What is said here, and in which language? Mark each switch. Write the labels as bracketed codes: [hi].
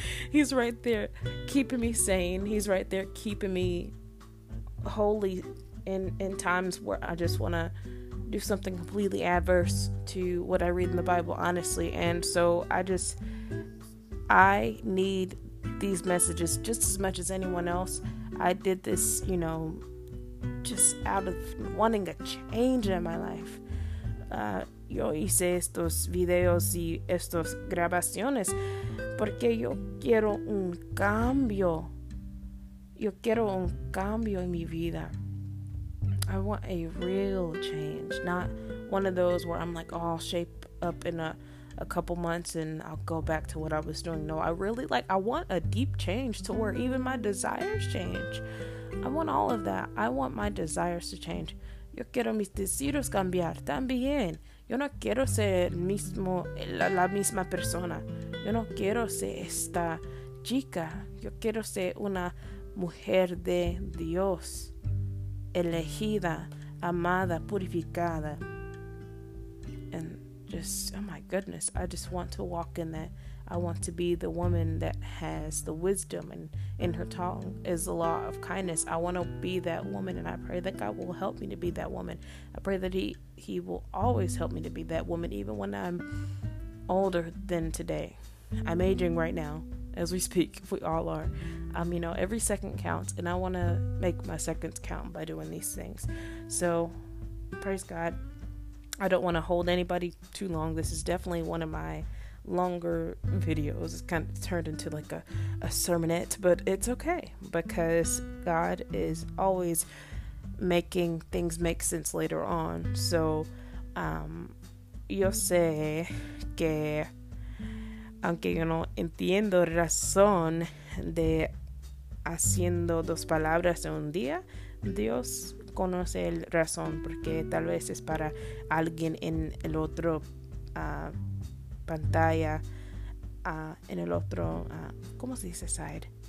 [en] He's right there keeping me sane. He's right there keeping me holy in times where I just want to do something completely adverse to what I read in the Bible, honestly. And so I need these messages just as much as anyone else. I did this, you know, just out of wanting a change in my life. [es] yo hice estos videos y estas grabaciones porque yo quiero un cambio. Yo quiero un cambio en mi vida. [en] I want a real change, not one of those where I'm like, oh, I'll shape up in a couple months and I'll go back to what I was doing. No, I really like, I want a deep change to where even my desires change. I want all of that. I want my desires to change. [es] Yo quiero mis deseos cambiar también. Yo no quiero ser mismo la misma persona. Yo no quiero ser esta chica. Yo quiero ser una mujer de Dios, elegida, amada, purificada. [en] And just, oh my goodness, I just want to walk in that. I want to be the woman that has the wisdom, and in her tongue is the law of kindness. I want to be that woman, and I pray that God will help me to be that woman. I pray that he will always help me to be that woman, even when I'm older than today. I'm aging right now as we speak. We all are. You know, every second counts, and I want to make my seconds count by doing these things. So praise God. I don't want to hold anybody too long. This is definitely one of my longer videos. It's kind of turned into like a sermonette, but it's okay because God is always making things make sense later on. [es] So, yo sé que aunque yo no entiendo razón de haciendo dos palabras en un día, Dios conoce el razón, porque tal vez es para alguien en el otro pantalla, en el otro, ¿cómo se dice side?